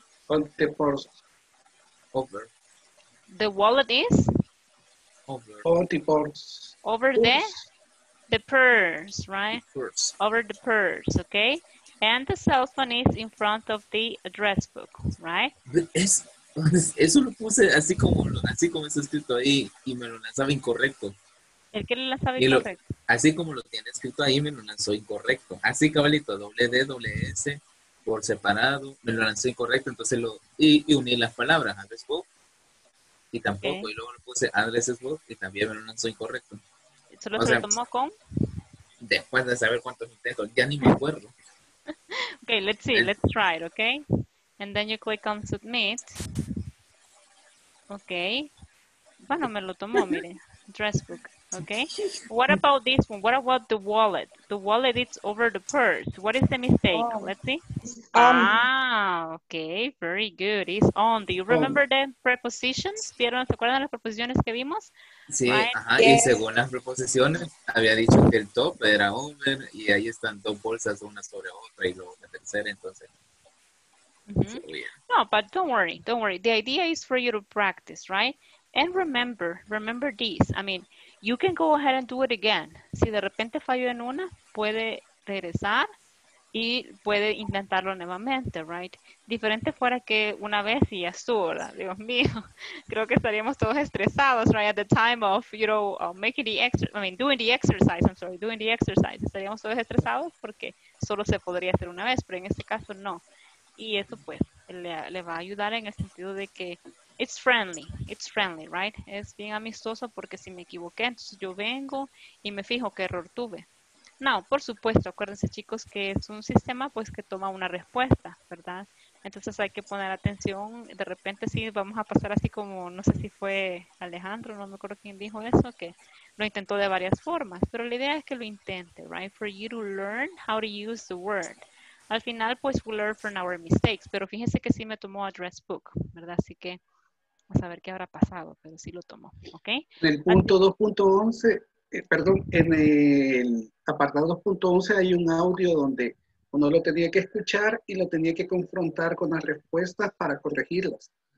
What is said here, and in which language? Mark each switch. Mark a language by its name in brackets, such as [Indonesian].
[English] On the purse. Over. The wallet is. Over. On the purse. Over there. The purse, right? Purse. Over the purse. Okay. And the cell phone is in front of the address book, right? [Spanish] Eso lo puse así como está escrito ahí y me lo lanzaba incorrecto. ¿El que le lanzaba incorrecto? Así como lo tiene escrito ahí me lo lanzó incorrecto. Así cabalito, doble D, doble S, por separado, me lo lanzó incorrecto. Entonces lo, y uní las palabras, address book, y tampoco. Okay. Y luego lo puse address book y también me lo lanzó incorrecto. ¿Solo se lo tomó con? Después de saber cuántos intentos, ya ni me acuerdo. [English] Ok, let's see, let's try it, ok. And then you click on submit. Okay. [Spanish] Bueno, me lo tomó, mire. Dress book. [English] Okay. What about this one? What about the wallet? The wallet is over the purse. What is the mistake? Oh. Let's see. Okay. Very good. It's on. Do you remember the prepositions? [Spanish] ¿Vieron? ¿Se acuerdan las preposiciones que vimos? Sí. [English] Right? [Spanish] Ajá. Yes. Y según las preposiciones, había dicho que el top era over. Y ahí están dos bolsas, una sobre otra. Y luego la tercera, entonces... [English] Mm-hmm. No, but don't worry, don't worry. The idea is for you to practice, right? And remember, remember this. I mean, you can go ahead and do it again. [Spanish] Si de repente falló en una, puede regresar y puede intentarlo nuevamente, [English] right? [Spanish] Diferente fuera que una vez y ya estuvo, ¿verdad? Dios mío, creo que estaríamos todos estresados, [English] right? At the time of, you know, making the exercise, I mean, doing the exercise, I'm sorry, doing the exercise. [Spanish] Estaríamos todos estresados porque solo se podría hacer una vez, pero en este caso no. Y eso, pues, le va a ayudar en el sentido de que [English] it's friendly, right? [Spanish] Es bien amistoso porque si me equivoqué, entonces yo vengo y me fijo qué error tuve. No, por supuesto, acuérdense, chicos, que es un sistema, pues, que toma una respuesta, ¿verdad? Entonces hay que poner atención. De repente, sí, vamos a pasar así como, no sé si fue Alejandro, no me acuerdo quién dijo eso, que lo intentó de varias formas. Pero la idea es que lo intente, [English] right? For you to learn how to use the word. [Spanish] Al final, pues, [English] we learn from our mistakes. [Spanish] Pero fíjense que sí me tomó address book, ¿verdad? Así que vamos a ver qué habrá pasado, pero sí lo tomó, ¿ok? En el punto 2.11, perdón, en el apartado 2.11 hay un audio donde uno lo tenía que escuchar y lo tenía que confrontar con las respuestas para corregirlas.